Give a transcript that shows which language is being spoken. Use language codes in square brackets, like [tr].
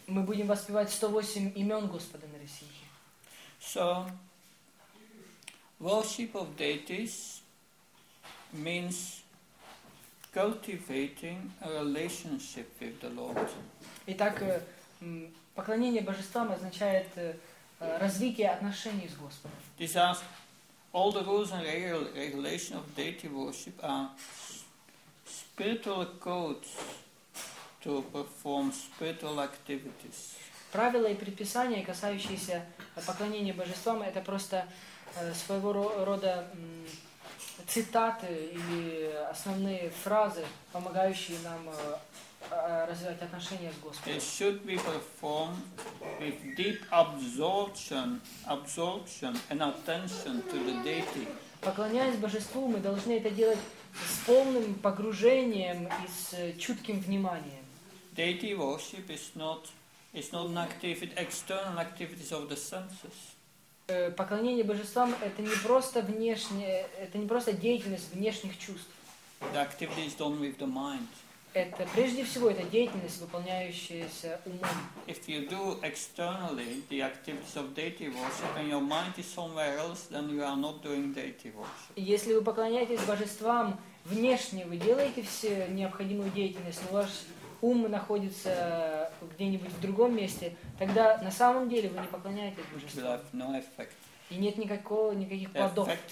[ru] Мы будем воспевать 108 имен Господа Нарисимхи. [en] So, worship of deities means cultivating a relationship with the Lord. [ru] Итак, поклонение божествам означает развитие отношений с Господом. [en] These are all the rules and regulations of deity worship are spiritual codes to perform spiritual activities. [ru] Правила и предписания, касающиеся поклонения божествам, это просто своего рода цитаты или основные фразы, помогающие нам развивать отношения с Господом. [en] It should be performed with deep absorption and attention to the deity. [ru] Поклоняясь божеству, мы должны это делать с полным погружением и с чутким вниманием. [en] Deity worship is not an activity, external activities of the senses. [ru] Поклонение божествам это не просто внешнее, это не просто деятельность внешних чувств. [en] The activity is done with the mind. [ru] Это прежде всего это деятельность, выполняющаяся умом. [en] If you do externally the activities of deity worship and your mind is somewhere else, then you are not doing deity worship. [ru] Если вы поклоняетесь божествам внешне, вы делаете всю необходимую деятельность, но ваш ум находится где-нибудь в другом месте, тогда на самом деле вы не поклоняетесь божеству. И нет никаких плодов.